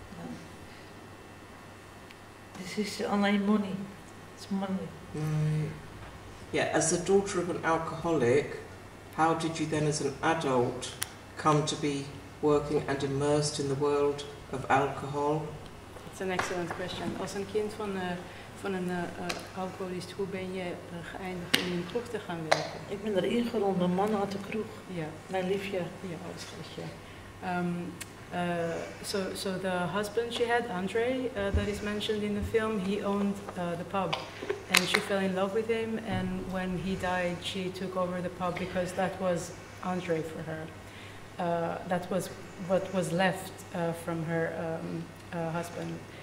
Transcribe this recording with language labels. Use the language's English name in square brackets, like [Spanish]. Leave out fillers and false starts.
[English] No. This is only money. It's money. Right. Yeah, as the daughter of an alcoholic, how did you then as an adult come to be working and immersed in the world of alcohol? That's an excellent question. As a [Dutch] kind van een alcoholist, hoe ben je geëindigd om in een kroeg te gaan werken? Ik ben erin gerold, mijn man had de kroeg. Ja. Mijn liefje. Ja, als schatje. [English] So the husband she had, Andre, that is mentioned in the film, he owned the pub. And she fell in love with him, and when he died, she took over the pub because that was Andre for her. That was what was left from her husband.